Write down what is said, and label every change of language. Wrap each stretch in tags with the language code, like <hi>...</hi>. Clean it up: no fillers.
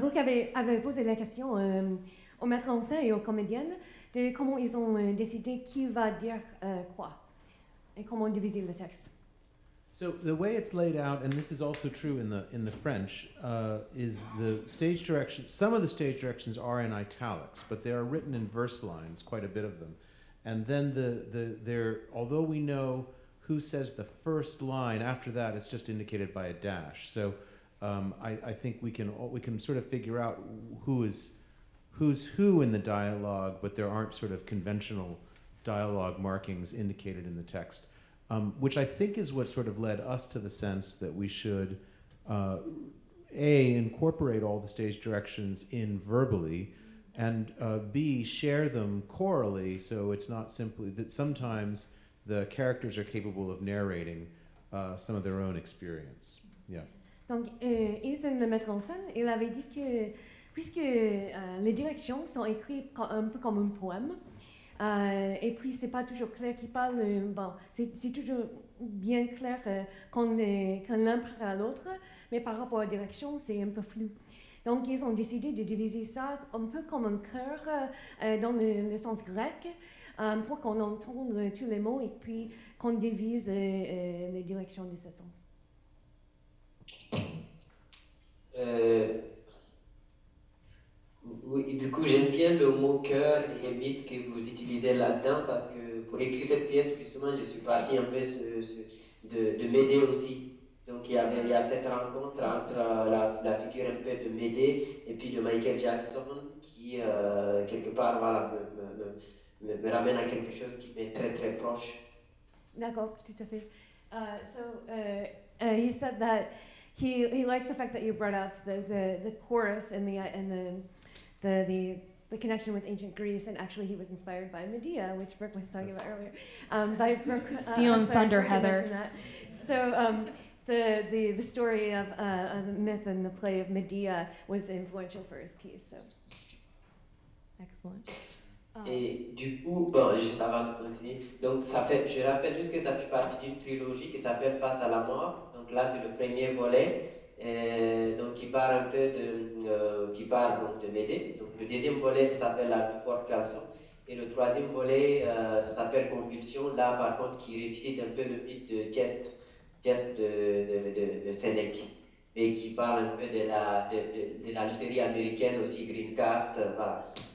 <fr>Brooke avait posé la question au metteur en scène et aux comédiennes de comment ils ont décidé qui va dire quoi et comment diviser le texte.</fr> <en>So the way it's laid out, and this is also true in the French, is the stage direction. Some of the stage directions are in italics, but they are written in verse lines, quite a bit of them. And then although we know who says the first line, after that it's just indicated by a dash. So I think we can sort of figure out who's who in the dialogue, but there aren't sort of conventional dialogue markings indicated in the text. Which I think is what sort of led us to the sense that we should incorporate all the stage directions in verbally, and B, share them chorally, so it's not simply that sometimes the characters are capable of narrating some of their own experience. Yeah.</en> <fr>Donc, Ethan, le metteur en scène, il avait dit que puisque les directions sont écrites un peu comme un poème, et puis c'est pas toujours clair qui parle, bon, c'est toujours bien clair quand l'un parle à l'autre, mais par rapport aux directions, c'est un peu flou. Donc ils ont décidé de diviser ça un peu comme un chœur dans le sens grec, pour qu'on entende tous les mots et puis qu'on divise les directions de ce sens. Oui, du coup, j'aime bien le mot cœur et mythe que vous utilisez là-dedans parce que pour écrire cette pièce, justement, je suis parti un peu de Médée aussi. Donc, il y a cette rencontre entre la figure un peu de Médée et puis de Michael Jackson qui, quelque part, voilà, me ramène à quelque chose qui m'est très, très proche. D'accord, tout à fait.</fr> <en>He said that he likes the fact that you brought up the chorus and the connection with ancient Greece, and actually he was inspired by Medea, which Brooke was talking about earlier. By Brooke, Steel and Thunder, Heather. So the story of the myth and the play of Medea was influential for his piece. So excellent.</en> <fr>Et du coup, bon, je vais savoir de continuer. Donc ça fait, je rappelle juste que ça fait partie d'une trilogie qui s'appelle Face à la mort. Donc là c'est le premier volet. Donc qui parle un peu de Médée. Donc le deuxième volet, ça s'appelle La porte calçon, et le troisième volet, ça s'appelle Convulsion, là par contre qui revisite un peu le mythe de Tieste de Sénèque, et qui parle un peu de la loterie américaine aussi, Green Card, voilà.</fr>